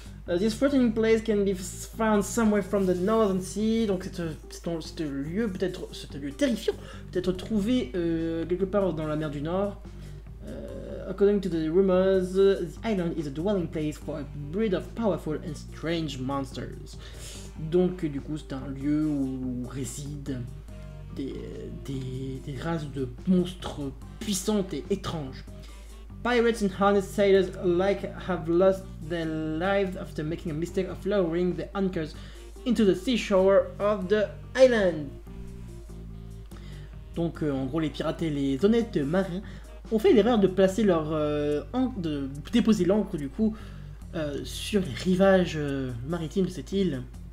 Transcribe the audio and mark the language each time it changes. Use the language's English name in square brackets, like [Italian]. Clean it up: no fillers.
[English] This floating place can be found somewhere from the Northern Sea. [French] Donc c'est un lieu terrifiant, peut-être trouvé quelque part dans la mer du Nord. [English] According to the rumors, the island is a dwelling place for a breed of powerful and strange monsters. [French] Donc du coup c'est un lieu où résident des races de monstres puissantes et étranges. [English] Pirates and harness sailors alike have lost their lives after making a mistake of lowering their anchors into the seashore of the island. [French] Donc en gros les pirates et les honnêtes marins ont fait l'erreur de placer leur de déposer l'ancre du coup sur les rivages maritimes de cette île.